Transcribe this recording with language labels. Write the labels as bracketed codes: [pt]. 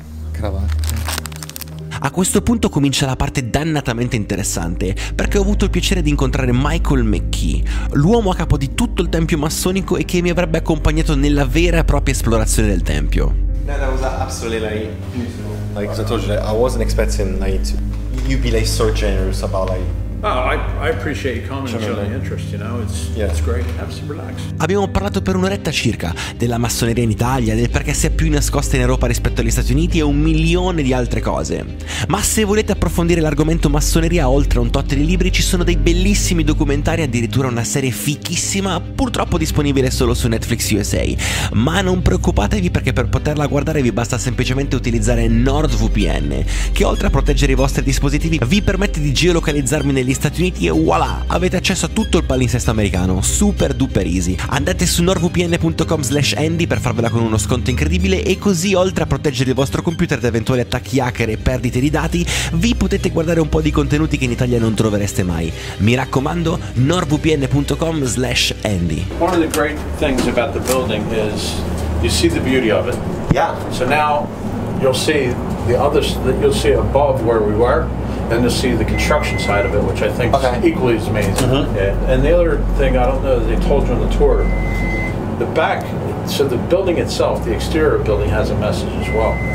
[it] Cravatte. A questo punto comincia la parte dannatamente interessante, perché ho avuto il piacere di incontrare Michael McKee, l'uomo a capo di tutto il tempio massonico e che mi avrebbe accompagnato nella vera e propria esplorazione del tempio. [en] No, that was absolutely like I told you, like, I wasn't expecting you'd be like so generous about like. Oh, I appreciate you coming and showing interest, you know, it's great. Have some relax. [it] Abbiamo parlato per un'oretta circa della massoneria in Italia, del perché sia più nascosta in Europa rispetto agli Stati Uniti e un milione di altre cose. Ma se volete approfondire l'argomento massoneria oltre a un tot di libri, ci sono dei bellissimi documentari, addirittura una serie fichissima, purtroppo disponibile solo su Netflix USA. Ma non preoccupatevi, perché per poterla guardare vi basta semplicemente utilizzare NordVPN, che oltre a proteggere i vostri dispositivi vi permette di geolocalizzarmi negli Stati Uniti e voilà, avete accesso a tutto il palinsesto americano, [en] super duper easy. [it] Andate su nordvpn.com/andy per farvela con uno sconto incredibile e così, oltre a proteggere il vostro computer da eventuali attacchi hacker e perdite di dati, vi potete guardare un po' di contenuti che in Italia non trovereste mai. Mi raccomando, nordvpn.com/andy. [en] One of the great things about the building is you see the beauty of it. Yeah. So now you'll see the others that you'll see above where we were. And to see the construction side of it, which I think okay. is equally as amazing. Mm-hmm. And the other thing, I don't know, they told you on the tour, the back, so the building itself, the exterior building has a message as well.